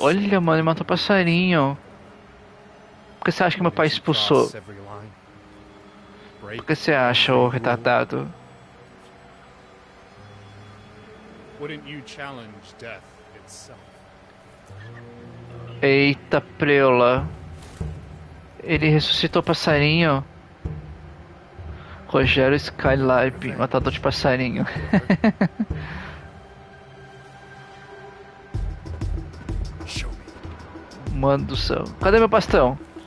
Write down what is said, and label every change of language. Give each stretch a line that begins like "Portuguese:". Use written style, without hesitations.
Portuguese: Olha, mano, ele matou passarinho. Por que você acha que meu pai expulsou? Por que você acha, ô retardado?
English: Wouldn't you challenge death itself?
Portuguese: Eita preula. Ele ressuscitou passarinho. Rogério Skylab, matador de passarinho. Mano do céu. Cadê meu bastão?